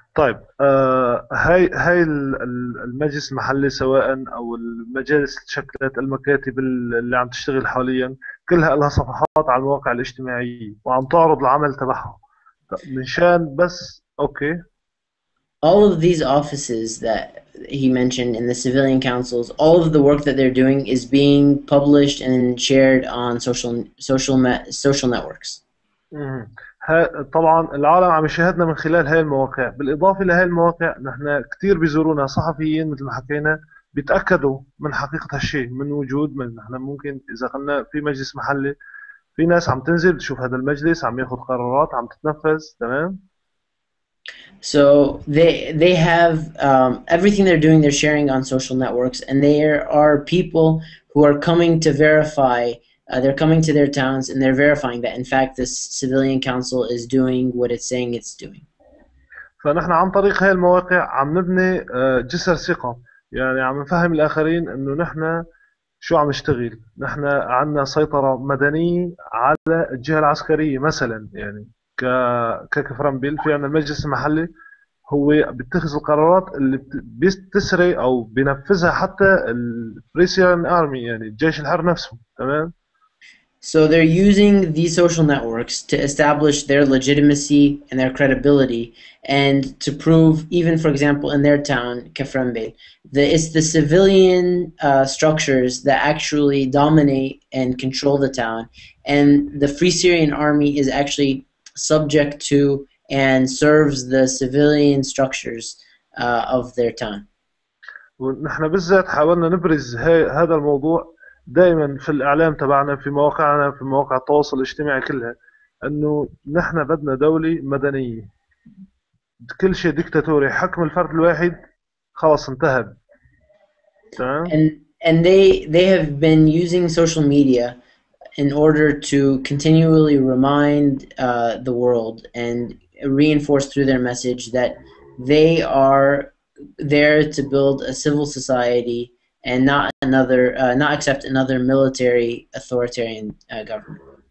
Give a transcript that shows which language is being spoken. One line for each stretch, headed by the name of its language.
Arabic: طيب هاي المجلس المحلي سواء او المجالس تشكلت المكاتب اللي عم تشتغل حاليا كلها لها صفحات على المواقع الاجتماعية وعم تعرض العمل تبعها منشان بس اوكي.
English: All of these offices that he mentioned in the civilian councils, all of the work that they're doing is being published and shared on social networks.
Arabic: طبعا العالم عم يشاهدنا من خلال هاي المواقع. بالإضافة لهاي المواقع نحن كتير بيزورونا صحفيين مثل ما حكينا بيتأكدوا من حقيقة هالشيء من وجود من نحن ممكن إذا قلنا في مجلس محلي في ناس عم تنزل تشوف هذا المجلس عم ياخذ قرارات عم تتنفذ تمام.
English: So they have everything they're doing they're sharing on social networks and there are people who are coming to verify they're coming to their towns and they're verifying that in fact this civilian council is doing what it's saying it's doing.
Arabic: فنحن عن طريق هاي المواقع عم نبني جسر ثقة يعني عم نفهم الآخرين إنه نحن شو عم نشتغل نحن عنا سيطرة مدنية على الجهة العسكرية مثلا يعني ككفرنبيل في عنا المجلس المحلي هو بيتخذ القرارات اللي بتسري او بنفذها حتى الفريسيان ارمي يعني الجيش الحر نفسه تمام.
English: So they're using these social networks to establish their legitimacy and their credibility, and to prove, even for example in their town, Kafrembe, that it's the civilian structures that actually dominate and control the town, and the Free Syrian Army is actually subject to and serves the civilian structures of their town.
Arabic: ونحن بالذات حاولنا نبرز هذا الموضوع دائما في الإعلام تبعنا في مواقعنا في مواقع التواصل الاجتماعي كلها أنه نحن بدنا دولة مدنية كل شيء ديكتاتوري حكم الفرد الواحد خلاص انتهى
English: and they have been using social media in order to continually remind the world and reinforce through their message that they are there to build a civil society and not another not accept another military authoritarian government.